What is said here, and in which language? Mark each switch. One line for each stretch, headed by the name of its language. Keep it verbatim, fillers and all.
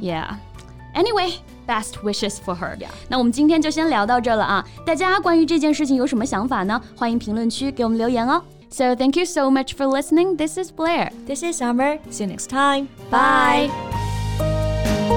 English: Yeah. Anyway, best wishes for her. Yeah.
Chinese: 那我们今天就先聊到这了啊。大家关于这件事情有什么想法呢？欢迎评论区给我们留言哦。
English: So thank you so much for listening. This is Blair. This is Summer. See you next time. Bye. Bye.